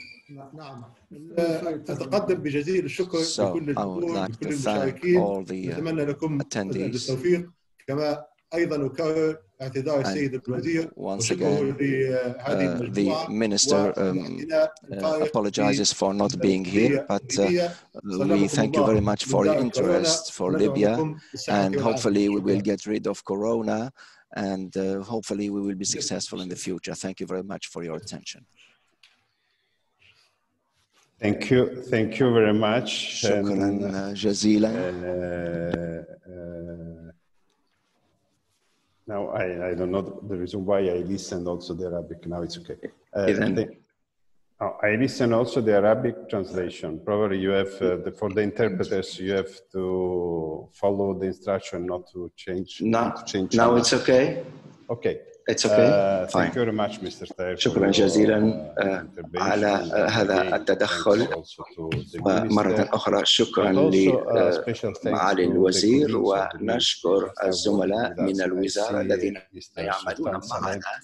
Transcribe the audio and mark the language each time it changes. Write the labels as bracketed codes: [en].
[ar] نعم أتقدم بجزيل الشكر لكل الحضور لكل المشاركين أتمنى لكم التوفيق كما أيضا أكرر [en] And once again, the minister apologizes for not being here, but we thank you very much for your interest for Libya, and hopefully we will get rid of Corona, and hopefully we will be successful in the future. Thank you very much for your attention. Thank you very much. [ar] شكراً جزيلاً. [en] Now I don't know the reason why I listened also the Arabic. Now it's okay. I listened also the Arabic translation. Probably you have for the interpreters you have to follow the instruction not to change. Now it's okay. Okay. It's okay. Fine. Thank you very much, Mr. Taher. [ar] شكرا جزيلا على هذا التدخل. ومرة أخرى شكرا لمعالي الوزير ونشكر الزملاء من الوزارة الذين يعملون معنا.